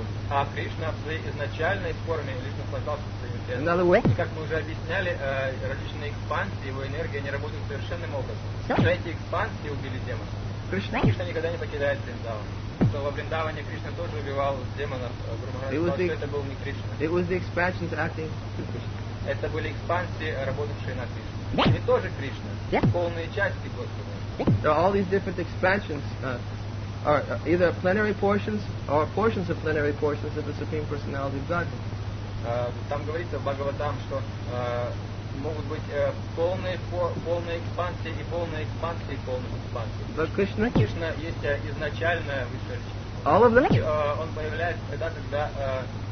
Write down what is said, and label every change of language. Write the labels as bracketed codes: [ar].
[ru] А Кришна в своей изначальной форме лишь наслаждался своим телом. И как мы уже объясняли, различные экспансии, его энергия не работает совершенным образом. Что эти экспансии убили демонов. Кришна никогда не покидает Вриндаван. Что во Вриндаване Кришна тоже убивал демонов, грубо говоря, это был не Кришна. [en] It was the expansions acting to Krishna. [ru] Это были экспансии, работавшие на Кришне. Они тоже Кришна. Полные части Господа. [en] All these different expansions are either plenary portions or portions of plenary portions of the Supreme Personality of Godhead. [ru] Там говорится в Бхагаватам, что могут быть полные экспансии и полные экспансии и полные экспансии. [en] But Krishna? [ru] Кришна есть изначальная высшая личность. [en] All of them? [ru] Он появляется тогда, когда...